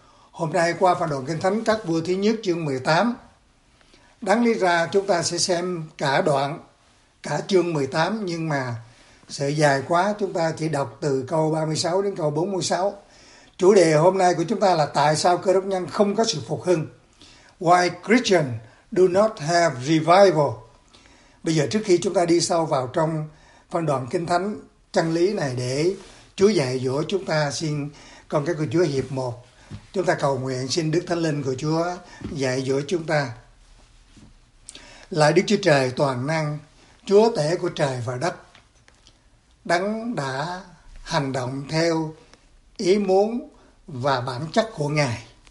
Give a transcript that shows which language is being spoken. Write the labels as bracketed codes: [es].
[vi] Hôm nay qua phần đoạn Kinh Thánh Các Vua Thứ Nhất chương 18, đáng lý ra chúng ta sẽ xem cả đoạn, cả chương 18, nhưng mà sợ dài quá chúng ta chỉ đọc từ câu 36 đến câu 46. Chủ đề hôm nay của chúng ta là tại sao Cơ Đốc nhân không có sự phục hưng. [en] Why Christians do not have revival. [vi] Bây giờ trước khi chúng ta đi sâu vào trong phân đoạn Kinh Thánh chân lý này để Chúa dạy dỗ chúng ta, xin con cái của Chúa hiệp một. Chúng ta cầu nguyện xin Đức Thánh Linh của Chúa dạy dỗ chúng ta. Lạy Đức Chúa Trời toàn năng, Chúa Tể của trời và đất, Đấng đã hành động theo ý muốn và bản chất của Ngài.